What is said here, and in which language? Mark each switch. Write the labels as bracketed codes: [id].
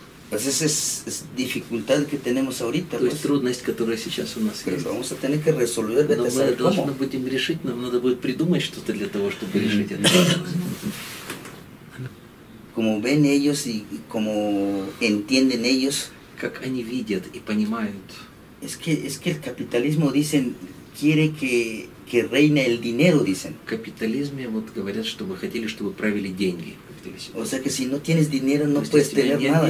[es] Pues esa es dificultad que tenemos ahorita. [ru] То есть трудность, которая сейчас у нас есть. [es] Vamos a tener que resolver [ru] это. Но мы должны будем решить, нам надо будет придумать что-то для того, чтобы решить это. [es] Como ven ellos y como entienden ellos. [ru] Как они видят и понимают. [es] Es que el capitalismo dicen quiere que reine el dinero, dicen. [ru] В капитализме вот говорят, что вы хотели, чтобы правили деньги. [es] O sea que si no tienes dinero no puedes tener nada,